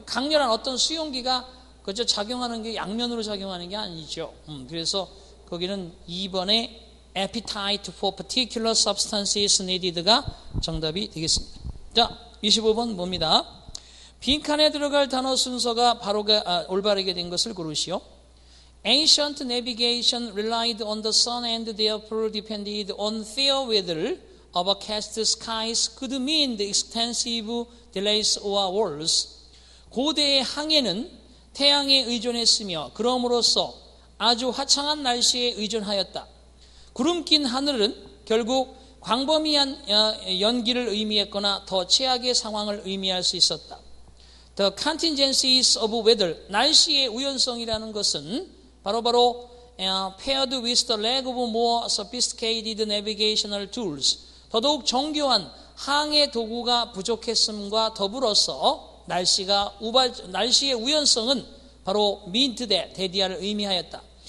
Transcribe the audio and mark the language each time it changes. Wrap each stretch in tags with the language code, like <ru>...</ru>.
<ko>강렬한 어떤 수용기가 그죠? 작용하는 게 양면으로 작용하는 게 아니죠. 그래서 거기는 2번의</ko> <en>appetite for particular substances needed</en> <ko>가 정답이 되겠습니다. 자, 25번 봅니다. 빈칸에 들어갈 단어 순서가 올바르게 된 것을 고르시오.</ko> <en>Ancient navigation relied on the sun and therefore depended on fair weather. Overcast skies could mean the extensive delays or walls.</en> <ko>고대의 항해는 태양에 의존했으며 그러므로써 아주 화창한 날씨에 의존하였다. 구름 낀 하늘은 결국 광범위한 연기를 의미했거나 더 최악의 상황을 의미할 수 있었다.</ko> <en>The contingencies of weather,</en> <ko>날씨의 우연성이라는 것은 바로바로</ko> <en>paired with the lack of more sophisticated navigational tools,</en> <ko>더더욱 정교한 항해 도구가 부족했음과 더불어서 날씨의 우연성은 바로 민트대, 대디아를 의미하였다.</ko>